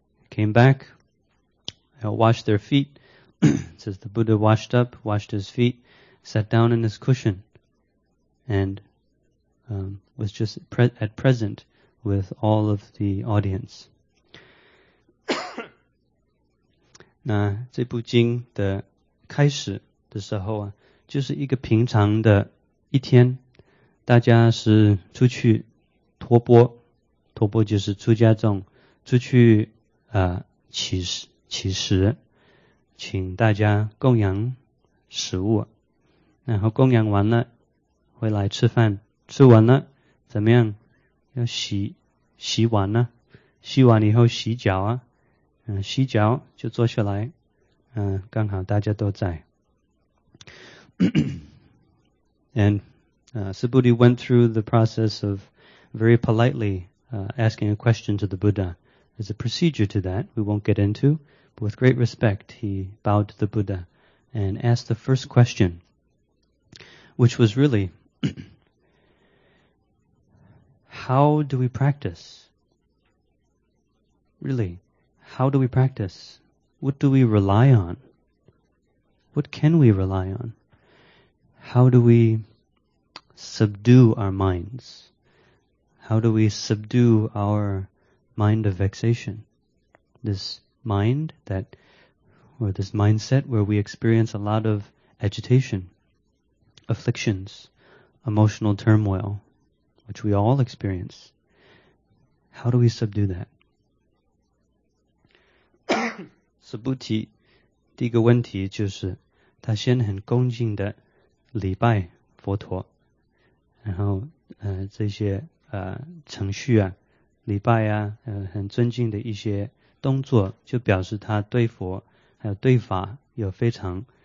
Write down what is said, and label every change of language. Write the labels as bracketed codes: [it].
[en] Came back, washed their feet. It says the Buddha washed up, washed his feet, sat down in his cushion, and was just at present with all of the audience. [zh] 那这部经的开始的时候啊，就是一个平常的一天，大家是出去托钵，托钵就是出家众出去乞食，请大家供养食物，然后供养完了回来吃饭，吃完了怎么样？要洗碗呢？洗完以后洗脚啊，洗脚就坐下来，刚好大家都在。 [en] And Subhuti went through the process of very politely asking a question to the Buddha There's a procedure to that we won't get into, but with great respect, he bowed to the Buddha and asked the first question, which was really, how do we practice? Really, how do we practice? What do we rely on? What can we rely on? How do we subdue our minds? How do we subdue our mind of vexation? This mind that, or this mindset where we experience a lot of agitation, afflictions, emotional turmoil, which we all experience. How do we subdue that? [zh] Subuti, 第一个问题就是他先很恭敬地礼拜佛陀，然后这些程序啊、礼拜啊、很尊敬的一些动作，就表示他对佛还有对法有非常